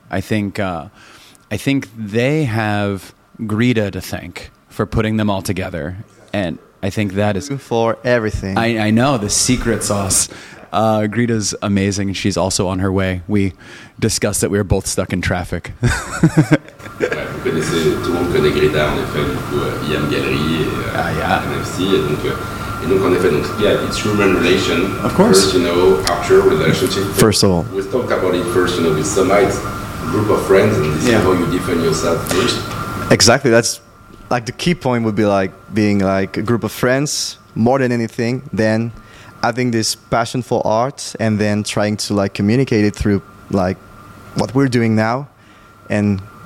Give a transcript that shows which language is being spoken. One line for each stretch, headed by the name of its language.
English: I think they have Greta to thank for putting them all together. And I think that is for everything. I know the secret sauce. Greta's amazing. She's also on her way. We discussed that we were both stuck in traffic.
French: Vous connaissez, tout le monde connaît Greta, en effet, du coup, IAM Gallery NFC. Et donc, en effet,
English: yeah, it's human relation. Of course. First, you know, Arthur relationship. First of all. We talked about it first, you know, with Soma, it's a group of friends, and this is how you defend yourself first. Exactly. That's like the key point would be like being like a group of friends more than anything, then having this passion for art and then trying to like communicate it through like what we're doing now. And